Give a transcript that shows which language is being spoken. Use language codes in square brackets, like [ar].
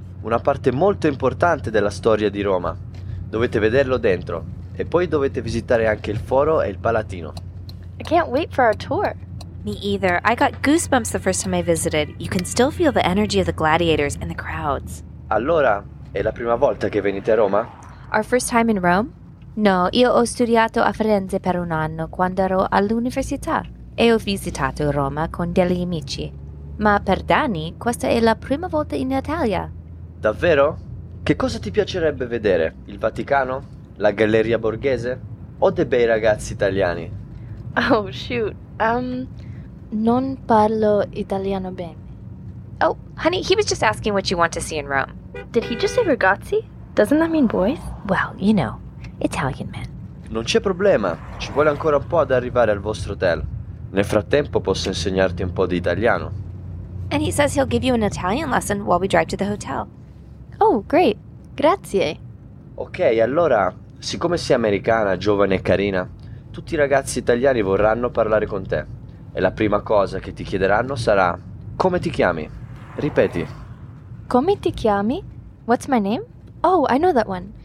[it] Una parte molto importante della storia di Roma. Dovete vederlo dentro. E poi dovete visitare anche il Foro e il Palatino. [en] I can't wait for our tour. Me either. I got goosebumps the first time I visited. You can still feel the energy of the gladiators and the crowds. [it] Allora, è la prima volta che venite a Roma? [en] Our first time in Rome? [it] No, io ho studiato a Firenze per un anno quando ero all'università. E ho visitato Roma con degli amici. Ma per Danny, questa è la prima volta in Italia. Davvero? Che cosa ti piacerebbe vedere? Il Vaticano? La Galleria Borghese? O dei bei ragazzi italiani? [en] Oh, shoot. [it] Non parlo italiano bene. [en] Oh, honey, he was just asking what you want to see in Rome. Did he just say ragazzi? Doesn't that mean boys? Well, you know, Italian men. [it] Non c'è problema. Ci vuole ancora un po' ad arrivare al vostro hotel. Nel frattempo posso insegnarti un po' di italiano. [en] And he says he'll give you an Italian lesson while we drive to the hotel. Oh, great. Grazie. [it] Ok, allora, siccome sei americana, giovane e carina, tutti i ragazzi italiani vorranno parlare con te. E la prima cosa che ti chiederanno sarà, come ti chiami? Ripeti. Come ti chiami? [en] What's my name? Oh, I know that one.